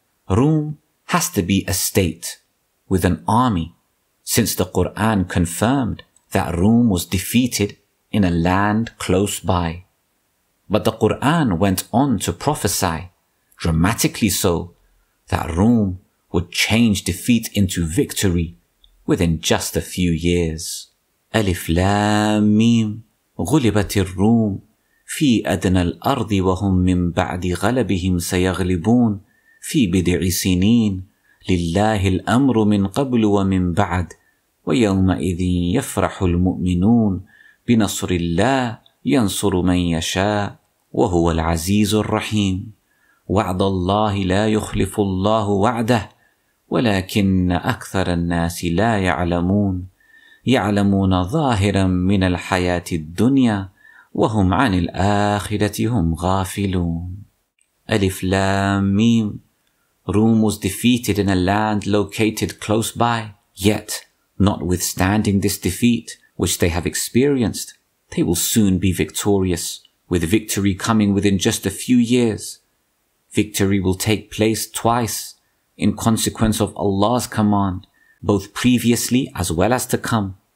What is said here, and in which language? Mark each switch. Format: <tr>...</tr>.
<en>Rome has to be a state with an army, since the Qur'an confirmed that Rome was defeated in a land close by. But the Qur'an went on to prophesy, dramatically so, that Rome would change defeat into victory within just a few years.</en> <ar>Alif Lam Mim, غلبت الروم في أدنى الأرض وهم من بعد غلبهم سيغلبون في بضع سنين لله الأمر من قبل ومن بعد ويومئذ يفرح المؤمنون بنصر الله ينصر من يشاء وهو العزيز الرحيم وعد الله لا يخلف الله وعده ولكن أكثر الناس لا يعلمون يعلمون ظاهرا من الحياة الدنيا وهم عن الآخرة هم غافلون ألف لام ميم.</ar> <en>Rome was defeated in a land located close by, yet notwithstanding this defeat which they have experienced, they will soon be victorious, with victory coming within just a few years. Victory will take place twice in consequence of Allah's command, both previously as well as to come.</en>